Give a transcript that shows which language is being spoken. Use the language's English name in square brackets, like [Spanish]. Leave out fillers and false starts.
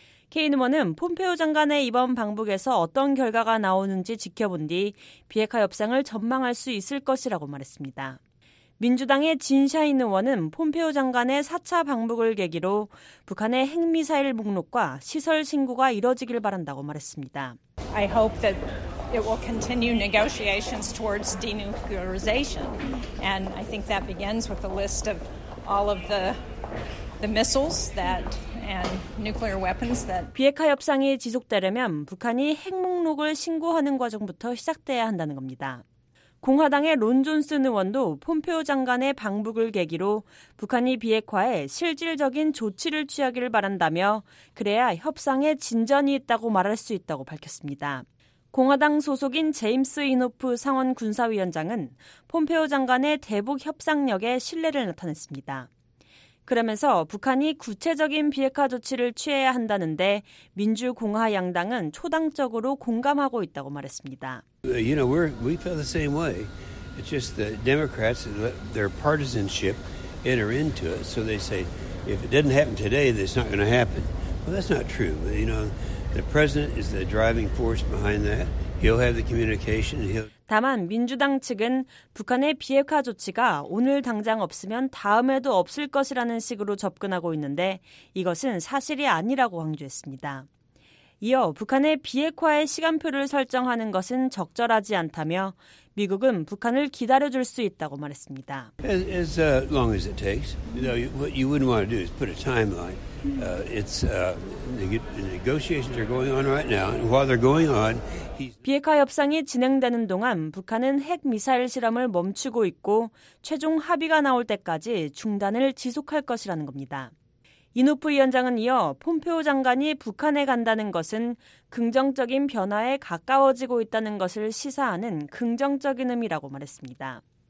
[Korean] 케인 의원은 폼페오 장관의 이번 방북에서 어떤 결과가 나오는지 지켜본 뒤 비핵화 협상을 전망할 수 있을 것이라고 말했습니다. 민주당의 진샤인 의원은 폼페오 장관의 4차 방북을 계기로 북한의 핵미사일 목록과 시설 신고가 이뤄지길 바란다고 말했습니다. [English] I hope that it will continue negotiations towards denuclearization. And I think that begins with a list of all of the missiles that and nuclear weapons that [Korean] 비핵화 협상이 지속되려면 북한이 핵 목록을 신고하는 과정부터 시작돼야 한다는 겁니다. 공화당의 론 존슨 의원도 폼페오 장관의 방북을 계기로 북한이 비핵화에 실질적인 조치를 취하기를 바란다며 그래야 협상에 진전이 있다고 말할 수 있다고 밝혔습니다. 공화당 소속인 제임스 이노프 상원 군사위원장은 폼페오 장관의 대북 협상력에 신뢰를 나타냈습니다. 그러면서 북한이 구체적인 비핵화 조치를 취해야 한다는데 민주공화 양당은 초당적으로 공감하고 있다고 말했습니다. [English] You know, we feel the same way. It's just the Democrats, their partisanship, enter into it. So they say, if it doesn't happen today, it's not going to happen. Well, that's not true. But, you know, the president is the driving force behind that. He'll have the communication. [Korean] 다만 민주당 측은 북한의 비핵화 조치가 오늘 당장 없으면 다음에도 없을 것이라는 식으로 접근하고 있는데 이것은 사실이 아니라고 강조했습니다. 이어 북한의 비핵화의 시간표를 설정하는 것은 적절하지 않다며 미국은 북한을 기다려줄 수 있다고 말했습니다. [English] As long as it takes. You know, what you wouldn't want to do is put a timeline. It's the negotiations are going on right now. And while they're going on, [Korean] 비핵화 협상이 진행되는 동안 북한은 핵 미사일 실험을 멈추고 있고 최종 합의가 나올 때까지 중단을 지속할 것이라는 겁니다. 이노프 위원장은 이어 폼페오 장관이 북한에 간다는 것은 긍정적인 변화에 가까워지고 있다는 것을 시사하는 긍정적인 의미라고 말했습니다.